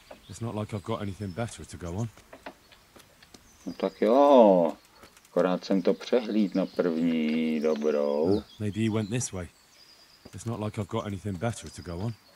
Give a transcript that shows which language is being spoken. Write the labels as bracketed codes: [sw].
[en] It's not like I've got anything better to go on. [cs] No tak jo. Akorát jsem to přehlíd na první dobrou. [en] Maybe he went this way. It's not like I've got anything better to go on.